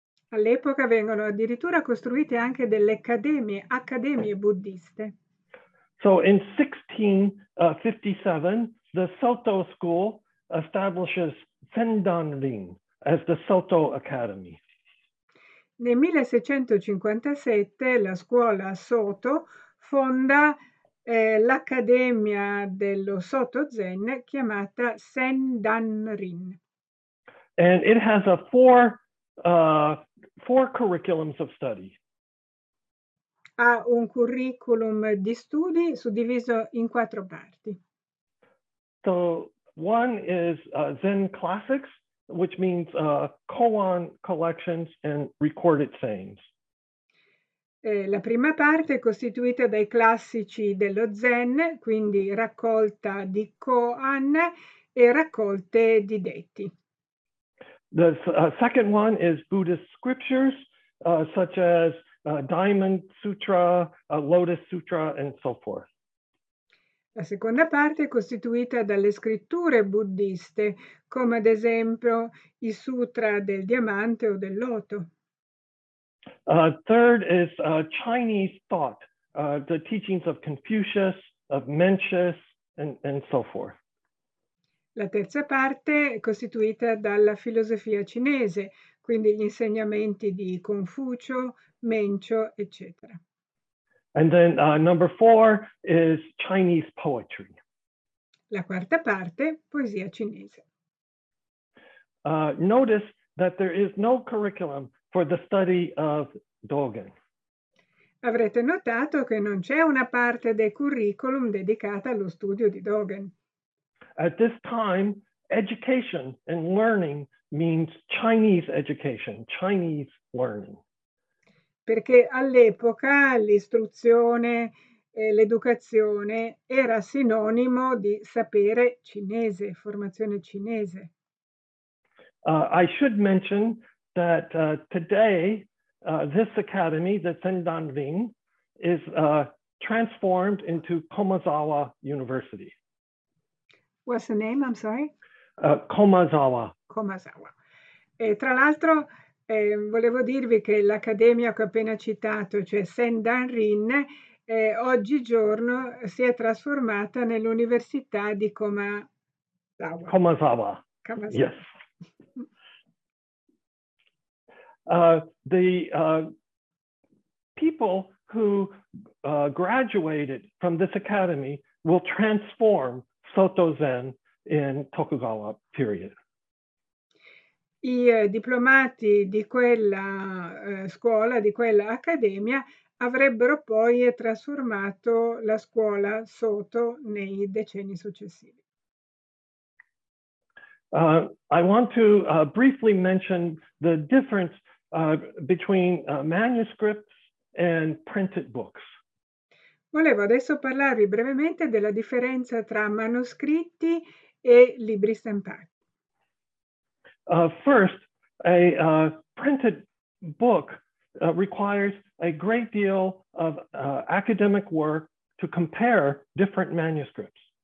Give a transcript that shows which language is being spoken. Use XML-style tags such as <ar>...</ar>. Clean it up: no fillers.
<it>All'epoca vengono addirittura costruite anche delle accademie, accademie buddiste.</it> <en>So in 1657, the Soto School establishes Sendanrin as the Soto Academy.</en> <it>Nel 1657 la scuola Soto fonda l'Accademia dello Soto Zen chiamata Sendanrin.</it> <en>And it has a four curriculums of study.</en> <it>Ha un curriculum di studi suddiviso in quattro parti.</it> <en>So one is Zen classics, which means koan collections and recorded sayings.</en> <it>La prima parte è costituita dai classici dello Zen, quindi raccolta di koan e raccolte di detti.</it> <en>The second one is Buddhist scriptures, such as Diamond Sutra, Lotus Sutra, and so forth.</en> <it>La seconda parte è costituita dalle scritture buddiste, come ad esempio i sutra del diamante o del loto.</it> <en>Third is Chinese thought, the teachings of Confucius, of Mencius, and so forth.</en> <it>La terza parte è costituita dalla filosofia cinese, quindi gli insegnamenti di Confucio, Mencio, eccetera.</it> <en>And then number four is Chinese poetry.</en> <it>La quarta parte, poesia cinese.</it> <en>Notice that there is no curriculum for the study of Dogen.</en> <it>Avrete notato che non c'è una parte del curriculum dedicata allo studio di Dogen.</it> <en>At this time, education and learning means Chinese education, Chinese learning.</en> <it>Perché all'epoca l'istruzione l'educazione era sinonimo di sapere cinese, formazione cinese.</it> <en>I should mention that today this academy, the Sendanrin, is transformed into Komazawa University. What's the name? I'm sorry. Komazawa. Komazawa.</en> <it>E tra l'altro volevo dirvi che l'accademia che ho appena citato, cioè Sendanrin, oggigiorno si è trasformata nell'università di Komazawa.</it> <en>Komazawa, yes. Kamazawa. The people who graduated from this academy will transform Soto Zen in Tokugawa period.</en> <it>I diplomati di quella scuola, di quella accademia, avrebbero poi trasformato la scuola Soto nei decenni successivi.</it> <en>I want to briefly mention the difference between manuscripts and printed books.</en> <it>Volevo adesso parlarvi brevemente della differenza tra manoscritti e libri stampati.</it> <en>First, a printed book requires a great deal of academic work to compare different manuscripts.</en>